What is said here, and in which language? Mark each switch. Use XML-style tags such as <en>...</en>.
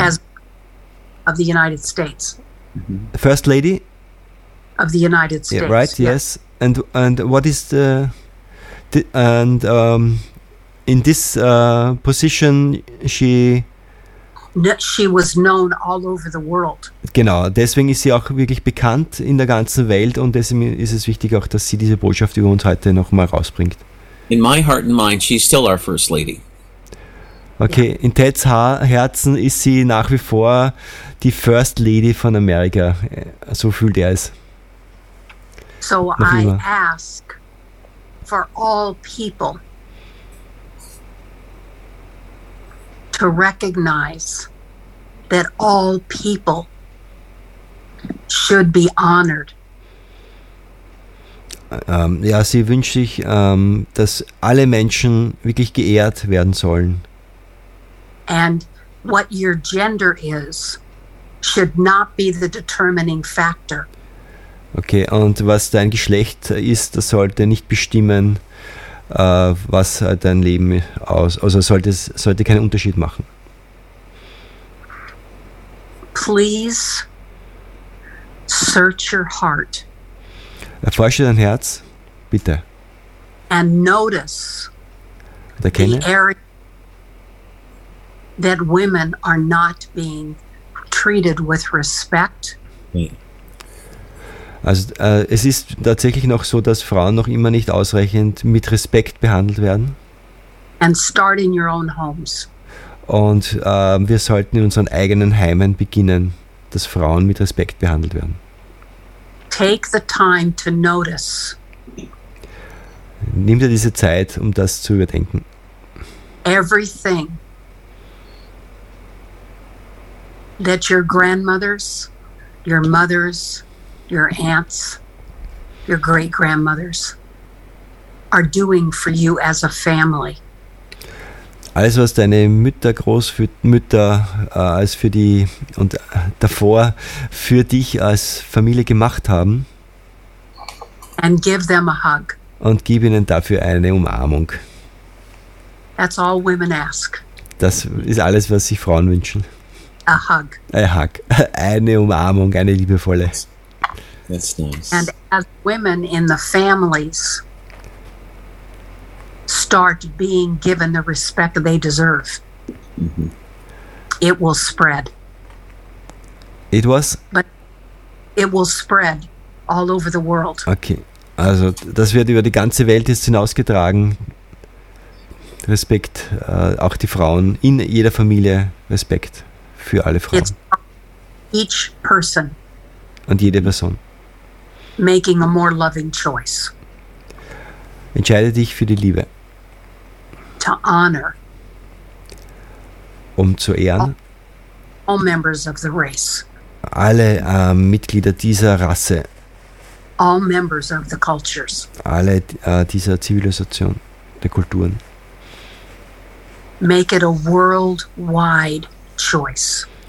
<en>as of the United States. First lady of the United States. Yeah, right, yeah. Yes. And what is in this position she was known all over the world.</en> <de>Genau, deswegen ist sie auch wirklich bekannt in der ganzen Welt und deswegen ist es wichtig auch, dass sie diese Botschaft über uns heute noch mal rausbringt.</de> <en>In my heart and mind, she's still our first lady. Okay, yeah.</en> <de>In Teds Herzen ist sie nach wie vor die First Lady von Amerika. So fühlt es. So noch I immer.</de> <en>Ask for all people to recognize that all people should be honored.</en> <de>Ja, sie wünscht sich, dass alle Menschen wirklich geehrt werden sollen.</de> <en>And what your gender is should not be the determining factor.</en> <de>Okay, und was dein Geschlecht ist, das sollte nicht bestimmen, was dein Leben aus, also sollte keinen Unterschied machen.</de> <en>Please search your heart.</en> <de>Erforsche dein Herz, bitte.</de> <en>And notice</en> <de>und erkenne,</de> <en>the area that women are not being treated with respect.</en> <de>Also es ist tatsächlich noch so, dass Frauen noch immer nicht ausreichend mit Respekt behandelt werden.</de> <en>And start in your own homes.</en> <de>Und wir sollten in unseren eigenen Heimen beginnen, dass Frauen mit Respekt behandelt werden.</de> <en>Take the time to notice.</en> <de>Nimm dir diese Zeit, um das zu überdenken.</de> <en>Everything that your grandmothers, your mothers, your aunts, your great-grandmothers are doing for you as a family.</en> <de>Alles, was deine Mütter, Großmütter als für die und davor für dich als Familie gemacht haben.</de> <en>And give them a hug.</en> <de>Und gib ihnen dafür eine Umarmung.</de> <en>That's all women ask. Das ist alles, was sich Frauen wünschen. A hug. A hug.</en> <de>Eine Umarmung, eine liebevolle.</de> <en>That's nice. And as women in the families start being given the respect they deserve, mm-hmm. it will spread. It was? But it will spread all over the world. Okay.</en> <de>Also, das wird über die ganze Welt jetzt hinausgetragen. Respekt, auch die Frauen in jeder Familie, Respekt für alle Frauen.</de> <en>It's each person.</en> <de>Und jede Person.</de> <en>Making a more loving choice.</en> <de>Entscheide dich für die Liebe.</de> <en>To honor.</en> <de>Um zu ehren.</de> <en>All members of the race.</en> <de>Alle Mitglieder dieser Rasse.</de> <en>All members of the cultures.</en> <de>Alle dieser Zivilisation, der Kulturen.</de> <en>Make it a worldwide choice.</en>